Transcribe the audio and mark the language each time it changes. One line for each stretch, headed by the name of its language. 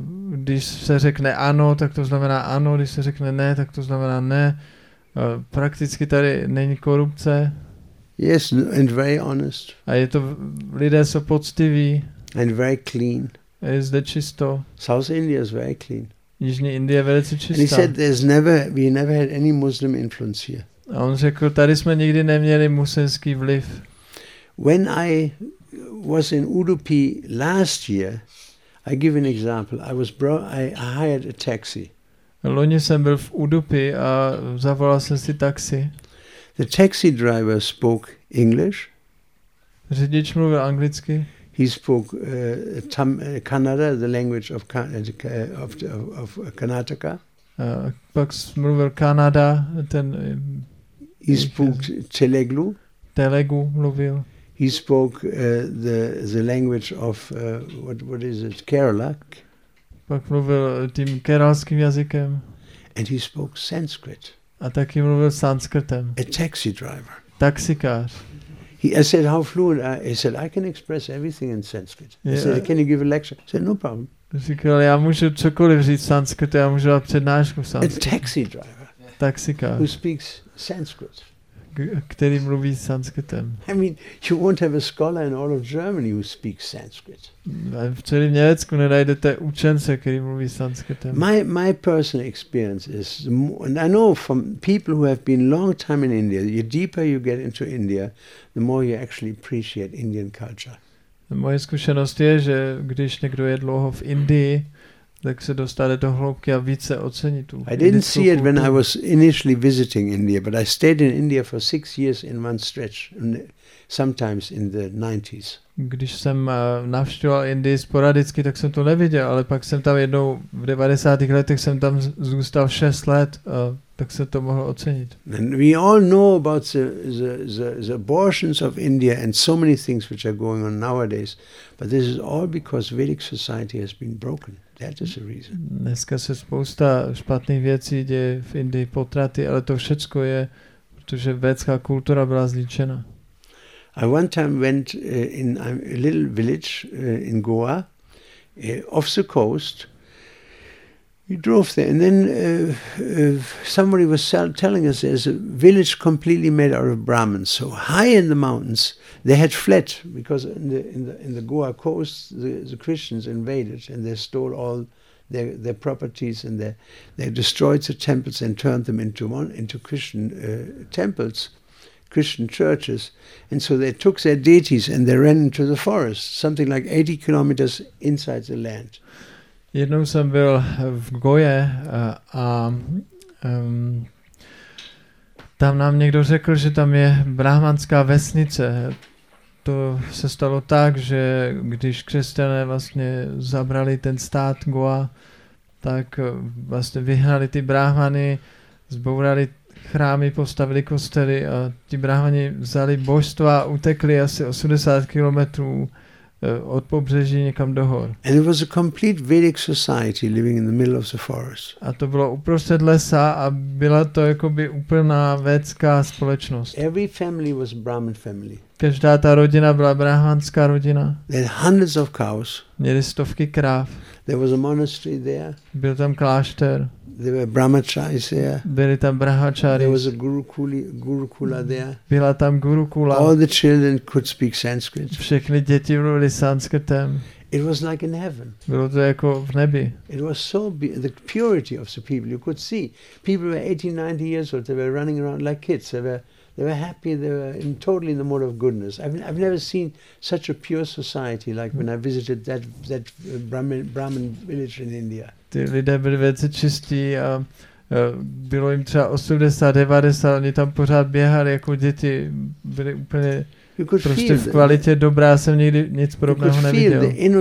Czech: Když se řekne ano, tak to znamená ano, když se řekne ne, tak to znamená ne. Prakticky tady není korupce.
English: Yes, and very honest.
Czech: A je to, lidé jsou poctiví.
English: And very clean.
Czech: A je zde čisto.
English: South India is very clean.
Czech: Jižní Indie je velice čistá.
English: And he said, we never had any Muslim influence here.
Czech: A on řekl, tady jsme nikdy neměli muslimský vliv.
English: When I was in Udupi last year, I give an example. I hired a taxi.
Czech: Loni jsem byl v Udupi a zavolal jsem si taxi.
English: The taxi driver spoke English.
Czech: Řidič mluvil anglicky.
English: He spoke Kannada, the language of Karnataka.
Czech: Pak mluvil Kannada, ten...
English: He spoke Telugu.
Czech: Telugu mluvil.
English: He spoke the language of what is it, Kerala.
Czech: Pak mluvil tím keralským jazykem.
English: And he spoke Sanskrit.
Czech: A taky mluvil sanskrtem.
English: A taxi driver.
Czech: Taxikář.
English: I said, how fluent are you? He said, I can express everything in Sanskrit. Yeah. I said, can you give a lecture? He said, no problem.
Czech: Říkal, já můžu cokoliv říct sanskrt, já můžu dát přednášku v sanskrt.
English: A taxi driver.
Czech: Taxikář.
English: Who speaks Sanskrit.
Czech: Který mluví sanskrtem.
English: I mean, you won't have a scholar in all of Germany who speaks Sanskrit.
Czech: V celé Německu nenajdete učence, který mluví sanskrtem.
English: My personal experience is, and I know from people who have been long time in India, the deeper you get into India, the more you actually appreciate Indian culture.
Czech: Moje zkušenost je, že když někdo je dlouho v Indii, tak se dostane do hloubky a více ocení tu.
English: I didn't see it when I was initially visiting India, but I stayed in India for 6 years in one stretch, sometimes in the 90s.
Czech: Když jsem navštěval Indii sporadicky, tak jsem to neviděl, ale pak jsem tam jednou v 90. letech jsem tam zůstal 6 let, tak se to mohlo ocenit.
English: And we all know about the abortions of India and so many things which are going on nowadays, but this is all because Vedic society has been broken. That is the reason.
Czech: Dneska se spousta špatných věcí děje v Indii, potraty, ale to všecko je, protože vedská kultura byla zničena.
English: I one time went in a little village in Goa, off the coast. We drove there, and then somebody was telling us there's a village completely made out of Brahmins. So high in the mountains, they had fled because in the Goa coast, the Christians invaded and they stole all their properties and they destroyed the temples and turned them into Christian temples, Christian churches. And so they took their deities and they ran into the forest, something like 80 kilometers inside the land.
Czech: Jednou jsem byl v Goje a tam nám někdo řekl, že tam je brahmanská vesnice. To se stalo tak, že když křesťané vlastně zabrali ten stát Goa, tak vlastně vyhnali ty brahmany, zbourali chrámy, postavili kostely a ti brahmani vzali božstva a utekli asi 80 kilometrů od pobřeží někam do hor.
English: And it was a complete Vedic society living in the middle of the forest.
Czech: A to bylo uprostřed lesa a byla to jakoby úplná vedská společnost.
English: Every family was Brahmin family.
Czech: Každá ta rodina byla brahmanská rodina.
English: They had hundreds of cows.
Czech: Měli stovky kráv.
English: There was a monastery there.
Czech: Byl tam klášter.
English: There were brahmacharis there.
Czech: Byli tam brahmacharis.
English: There was a gurukula there.
Czech: Byla tam gurukula.
English: All the children could speak Sanskrit.
Czech: Všechny děti mluvili sanskrtem.
English: It was like in heaven.
Czech: Bylo to jako v nebi.
English: It was so the purity of the people. You could see people were 80-90 years old. They were running around like kids. They were happy. They were in totally in the mood of goodness. I've never seen such a pure society like when I visited that Brahmin village in India.
Czech: Ty lidé byli velice čistí a bylo jim třeba 80-90, oni tam pořád běhali jako děti, byli úplně prostě v kvalitě dobrá, jsem nikdy nic podobného neviděl.